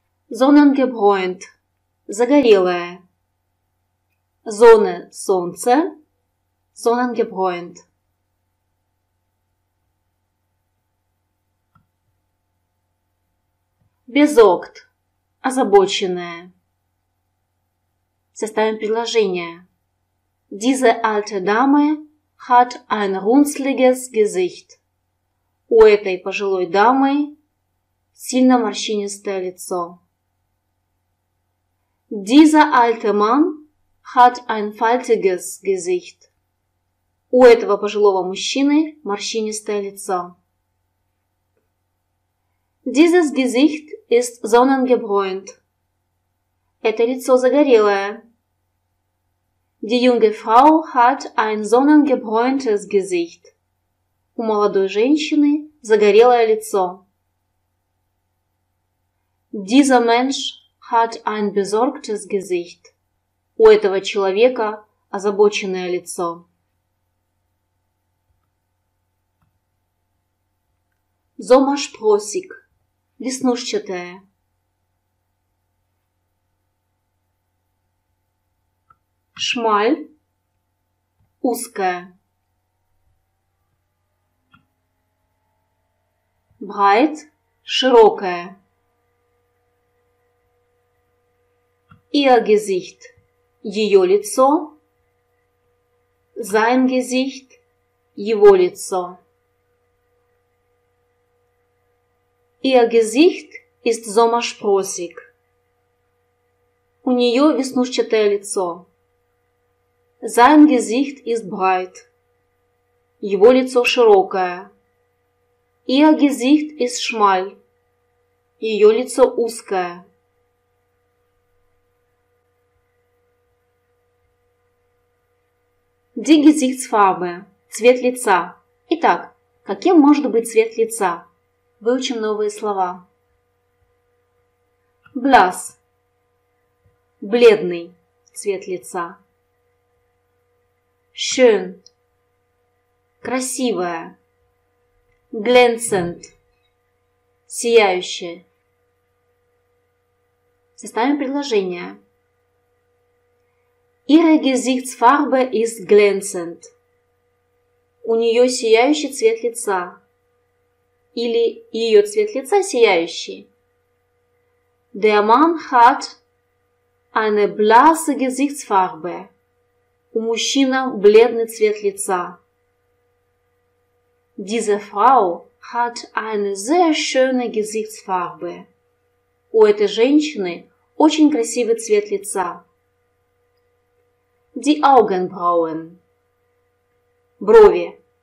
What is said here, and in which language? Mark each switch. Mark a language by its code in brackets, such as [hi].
[de] Sonnengebräunt – загорелое. Sonne – солнце. Sonnengebräunt. Besorgt – озабоченное. [ru] Составим предложение. [de] Diese alte Dame hat ein runzliges Gesicht. [ru] У этой пожилой дамы сильно морщинистое лицо. [de] Dieser alte Mann hat ein faltiges Gesicht. [ru] У этого пожилого мужчины морщинистое лицо. [de] Dieses Gesicht ist sonnengebräunt. [ru] Это лицо загорелое. [de] Die junge Frau hat ein sonnengebräuntes Gesicht. [ru] У молодой женщины загорелое лицо. [de] Dieser Mensch hat ein besorgtes Gesicht. [ru] У этого человека озабоченное лицо. [de] Sommersprossig. Веснушчатое. [ru] Шмаль – узкая. Брайт – широкая. [de] Ihr Gesicht – [ru] ее лицо. [de] Sein Gesicht – [ru] его лицо. [de] Ihr Gesicht ist sommersprossig. [ru] У нее веснушчатое лицо. [de] Sein Gesicht ist breit. [ru] Его лицо широкое. [de] Ihr Gesicht ist schmal. [ru] Ее лицо узкое. [de] Die Gesichtsfarbe. [ru] Цвет лица. Итак, каким может быть цвет лица? Выучим новые слова. Blass. Бледный. Цвет лица. Schön. Красивая. Glänzend. Сияющая. Составим предложение. [de] Ihre Gesichtsfarbe ist glänzend. [ru] У нее сияющий цвет лица. Или ее цвет лица сияющий. [de] Der Mann hat eine blasse Gesichtsfarbe. [ru] У мужчины бледный цвет лица. [de] Diese Frau hat eine sehr schöne Gesichtsfarbe. [ru] У этой женщины очень красивый цвет лица. [de] Die Augenbrauen. Брови.